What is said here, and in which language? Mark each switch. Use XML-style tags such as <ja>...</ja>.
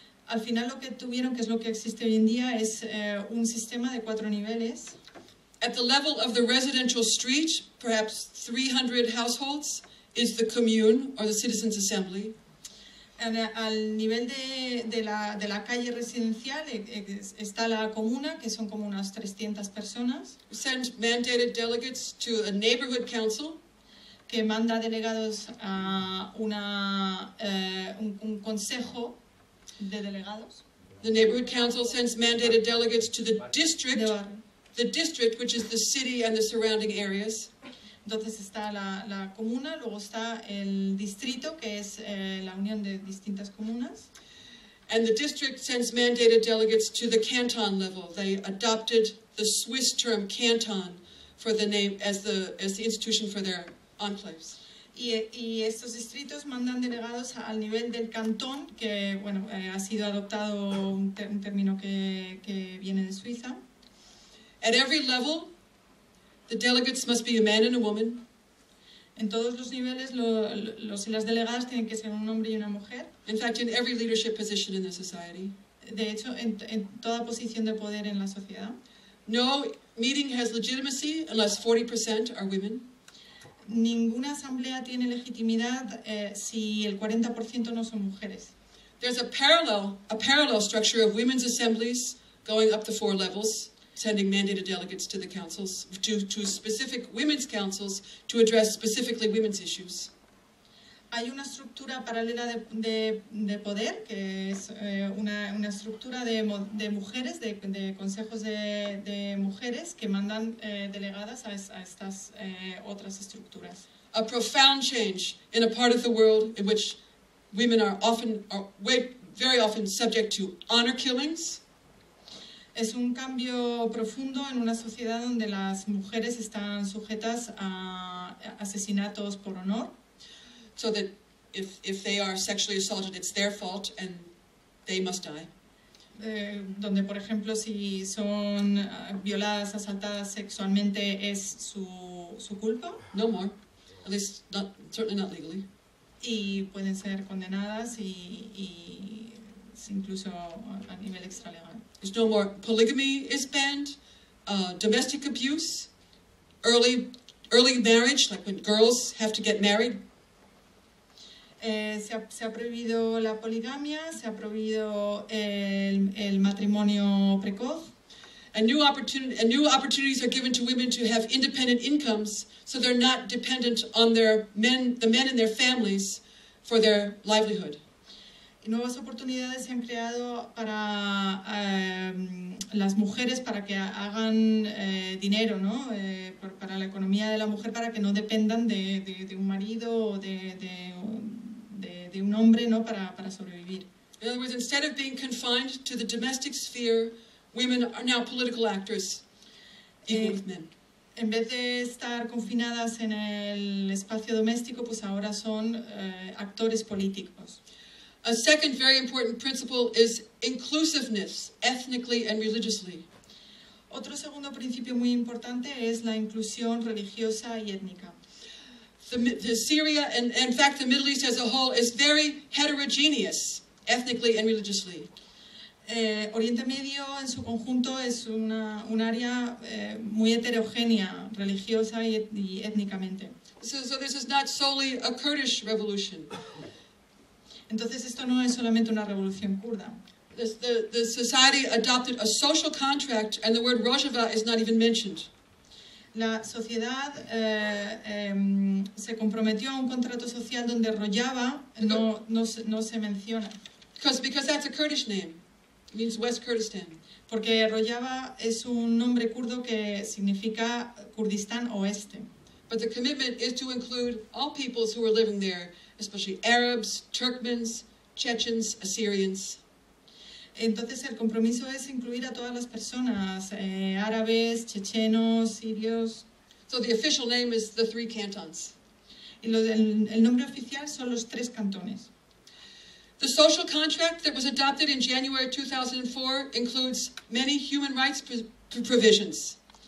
<es>Al final lo que tuvieron, que es lo que existe hoy en día, es un sistema de cuatro niveles.</es> <en>At the level of the residential street, perhaps 300 households, is the commune or the citizens' assembly.</en> <es>Al nivel de la calle residencial está la comuna, que son como unas 300 personas.</es> <en>Send mandated delegates to a neighborhood council.</en> <es>Que manda delegados a un consejo de delegados.</es> <en>The neighborhood council sends mandated delegates to the district. The district, which is the city and the surrounding areas.</en> <es>Entonces está la comuna, luego está el distrito, que es la unión de distintas comunas.</es> <en>And the district sends mandated delegates to the canton level. They adopted the Swiss term canton for the name as the institution for their enclaves.</en> <es>Y estos distritos mandan delegados al nivel del cantón, que bueno, ha sido adoptado un término que viene de Suiza.</es> <en>At every level, the delegates must be a man and a woman.</en> <es>En todos los niveles, los y las delegadas tienen que ser un hombre y una mujer.</es> <en>In fact, in every leadership position in the society.</en> <es>De hecho, en toda posición de poder en la sociedad.</es> <en>No meeting has legitimacy unless 40% are women.</en> <es>Ninguna asamblea tiene legitimidad si el 40% no son mujeres.</es> <en>There's a parallel structure of women's assemblies going up the four levels. Sending mandated delegates to the councils, to specific women's councils, to address specifically women's issues.</en> <es>Hay una estructura paralela de poder, que es una estructura de mujeres, de consejos de mujeres, que mandan delegadas a estas otras estructuras.</es> <en>A profound change in a part of the world in which women are very often subject to honor killings.</en> <es>Es un cambio profundo en una sociedad donde las mujeres están sujetas a asesinatos por honor.</es> <en>So that if they are sexually assaulted, it's their fault and they must die.</en> <es>Donde, por ejemplo, si son violadas, asaltadas sexualmente, es su culpa.</es> <en>No more. At least, certainly not legally.</en> <es>Y pueden ser condenadas y incluso a nivel extralegal.</es> <en>There's no more polygamy is banned, domestic abuse, early marriage, like when girls have to get married.</en> <es>Se ha prohibido la poligamia, se ha prohibido el matrimonio precoz.</es> <en>And new opportunities are given to women to have independent incomes, so they're not dependent on the men in their families for their livelihood.</en> <es>Y nuevas oportunidades se han creado para las mujeres para que hagan dinero, ¿no? Para la economía de la mujer, para que no dependan de un marido o de un hombre, ¿no? Para sobrevivir.</es> <en>In other words, instead of being confined to the domestic sphere, women are now political actors, equal with men.</en> <es>En vez de estar confinadas en el espacio doméstico, pues ahora son actores políticos.</es> <en>A second very important principle is inclusiveness, ethnically and religiously.</en> <es>Otro segundo principio muy importante es la inclusión religiosa y étnica.</es> <en>The Syria and in fact the Middle East as a whole is very heterogeneous, ethnically and religiously.</en> <es>Oriente Medio en su conjunto es un área muy heterogénea, religiosa y étnicamente.</es> <en>So this is not solely a Kurdish revolution.</en> <es>Entonces esto no es solamente una revolución kurda.</es> <en>The society adopted a social contract and the word Rojava is not even mentioned.</en> <es>La sociedad se comprometió a un contrato social donde Rojava no se menciona.</es> <en>Because that's a Kurdish name. It means West Kurdistan.</en> <es>Porque Rojava es un nombre kurdo que significa Kurdistán Oeste.</es> <en>But the commitment is to include all peoples who are living there, especially Arabs, Turkmens, Chechens, Assyrians.</en> <es>Entonces el compromiso es incluir a todas las personas, árabes, chechenos, sirios.</es> <en>So the official name is the three cantons.</en> <es>Y el nombre oficial son los tres cantones.</es> <en>The social contract that was adopted in January 2004 includes many human rights provisions.</en>